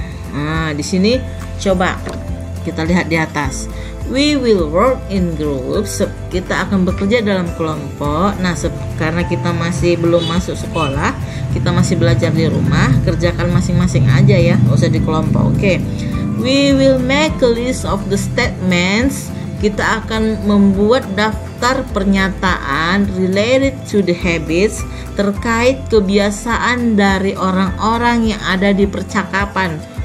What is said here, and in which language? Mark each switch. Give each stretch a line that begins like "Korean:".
Indonesian: Nah, di sini coba kita lihat di atas.
English: We will work in groups.
Indonesian: Kita akan bekerja dalam kelompok. Nah, karena kita masih belum masuk sekolah, kita masih belajar di rumah, kerjakan masing-masing aja ya, enggak usah di kelompok. Oke.
English: We will make a list of the statements.
Indonesian: Kita akan membuat daftar pernyataan
English: related to the habits,
Indonesian: terkait kebiasaan dari orang-orang yang ada di percakapan.